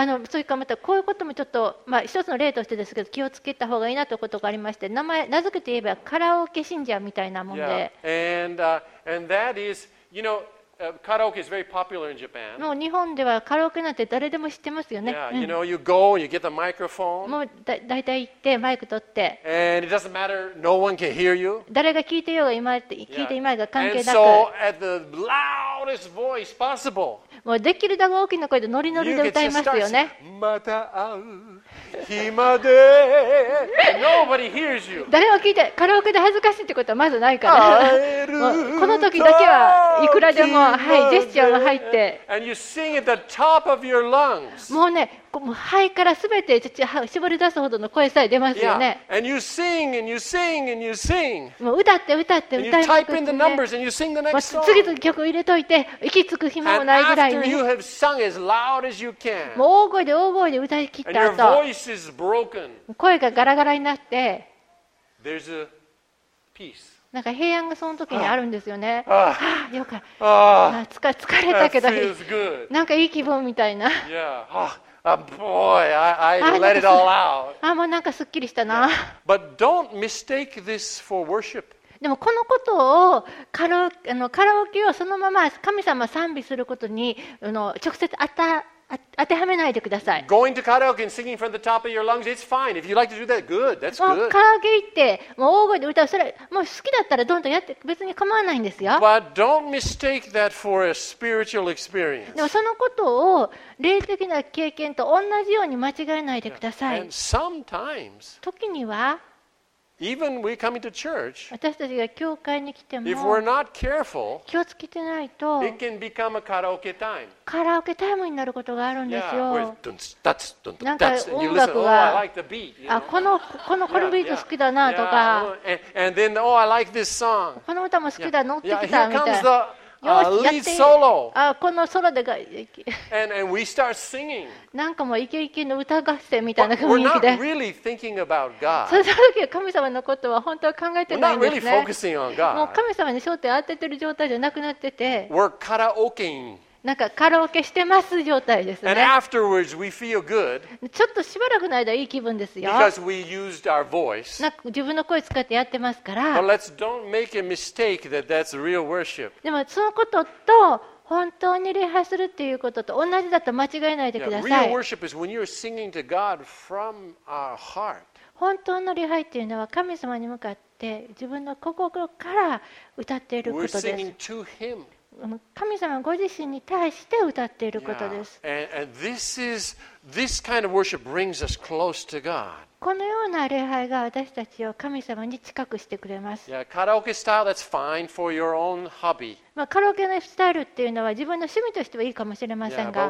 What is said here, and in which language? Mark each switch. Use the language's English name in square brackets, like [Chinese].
[Japanese] それからまたこういうこともちょっと、まあ、一つの例としてですけど気をつけた方がいいなということがありまして、名付けて言えばカラオケ信者みたいなもんで、 [English] yeah. and that is, you know, karaoke is very popular in Japan. [Japanese] もう日本ではカラオケなんて誰でも知ってますよね。 [English] yeah. You know, you go, you get the microphone. [Japanese] もう だいたい行ってマイク取って、 [English] and it doesn't matter, no one can hear you. [Japanese] 誰が聞いてようが今、yeah. 聞いていまいが関係なく、 [English] and so at the loudest voice possible, [Japanese] もうできるだけ大きな声でノリノリで歌いますよね。また会う暇で。 [English] Nobody hears you. [Japanese] 誰も聞いて、カラオケで恥ずかしいってことはまずないから。この時だけはいくらでも、はい、ジェスチャーが入って。 [English] And you sing at the top of your lungs. [Japanese] もうね、もう肺からすべて絞り出すほどの声さえ出ますよね。 [English] Yeah. And you sing and you sing and you sing. [Japanese] もう歌って歌いますね。 [English] And you type in the numbers and you sing the next song. [Japanese] 次の曲入れといて息つく暇もないぐらいに。 [English] And after you have sung as loud as you can. [Japanese] もう大声で歌い切った後。 [English] And your voice is broken. [Japanese] 声がガラガラになって。 [English] There's a peace. [Japanese] なんか平安がその時にあるんですよね。よかった。疲れたけど、なんかいい気分みたいな。もうなんかすっきりしたな。 [English] But don't mistake this for worship. [Japanese] でもこのことをカラオケをそのまま神様賛美することに直接当てはめないでください。 [English] Going to karaoke and singing from the top of your lungs, it's fine. If you like to do that, good. That's good. [Japanese] カラオケ行ってもう大声で歌う、それもう好きだったらどんどんやって別に構わないんですよ。 [English] But don't mistake that for a spiritual experience. [Japanese] でもそのことを霊的な経験と同じように間違えないでください。 [English] And sometimes, [Japanese] 時には。 [English] Even we coming to church, [Japanese] 私たちが教会に来ても、 [English] if we're not careful, [Japanese] 気をつけてないと、 [English] it can become a karaoke time. [Japanese] カラオケタイムになることがあるんですよ。 [English] Yeah, where [Japanese] なんか音楽が、このビート好きだなとか、この歌も好きだ、乗ってきたみたいな。 [English] Lead solo. [Japanese] このソロでが、 [English] and we start singing. [Japanese] なんかもうイケイケの歌合戦みたいな雰囲気で。 [English] But we're not really thinking about God. [Japanese] その時は神様のことは本当は考えてないんですね。 [English] We're not really focusing on God. [Japanese] もう神様に焦点当ててる状態じゃなくなってて。 [English] We're karaokeing. [Japanese] なんかカラオケしてます状態ですね。 [English] And afterwards we feel good. [Japanese] ちょっとしばらくの間いい気分ですよ。 [English] Because we used our voice. [Japanese] なんか自分の声使ってやってますから。 [English] But let's don't make a mistake that that's real worship. [Japanese] でもそのことと本当に礼拝するっていうことと同じだと間違えないでください。 [English] Yeah, real worship is when you're singing to God from our heart. [Japanese] 本当の礼拝っていうのは神様に向かって自分の心から歌っていることです。 [English] We're singing to Him. [Japanese] 神様ご自身に対して歌っていることです。 [English] Yeah. And this kind of worship brings us close to God. [Japanese] このような礼拝が私たちを神様に近くしてくれます。 [English] カラオケスタイル、that's fine for your own hobby。 [Japanese] まあカラオケのスタイルっていうのは自分の趣味としてはいいかもしれませんが、